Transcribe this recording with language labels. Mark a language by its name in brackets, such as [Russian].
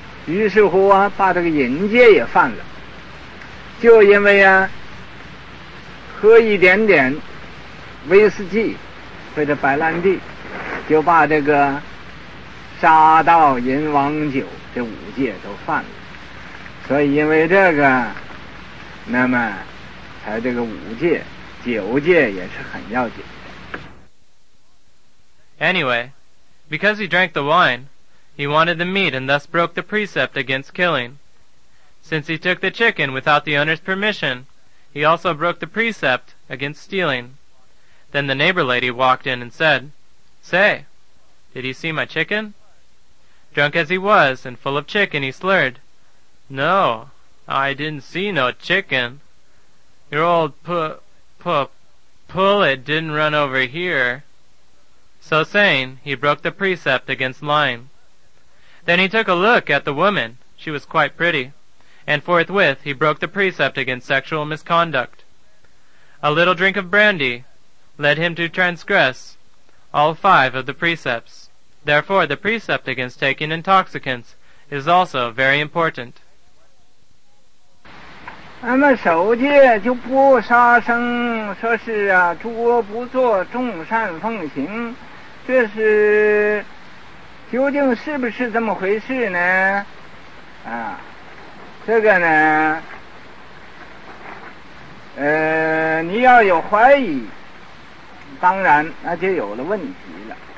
[Chinese] 于是乎啊，把这个淫戒也犯了，就因为啊，喝一点点威士忌或者白兰地，就把这个杀盗淫王酒这五戒都犯了。所以因为这个，那么才这个五戒九戒也是很要紧的。 [English] Anyway, because he drank the wine, he wanted the meat and thus broke the precept against killing. Since he took the chicken without the owner's permission, he also broke the precept against stealing. Then the neighbor lady walked in and said, "Say, did you see my chicken?" Drunk as he was and full of chicken, he slurred, "No, I didn't see no chicken. Your old pullet didn't run over here." So saying, he broke the precept against lying. Then he took a look at the woman. She was quite pretty. And forthwith, he broke the precept against sexual misconduct. A little drink of brandy led him to transgress all five of the precepts. Therefore, the precept against taking intoxicants is also very important. [Chinese] 那么守戒就不杀生，说是啊，诸恶不作，众善奉行，这是究竟是不是这么回事呢？啊，这个呢，你要有怀疑，当然那就有了问题了。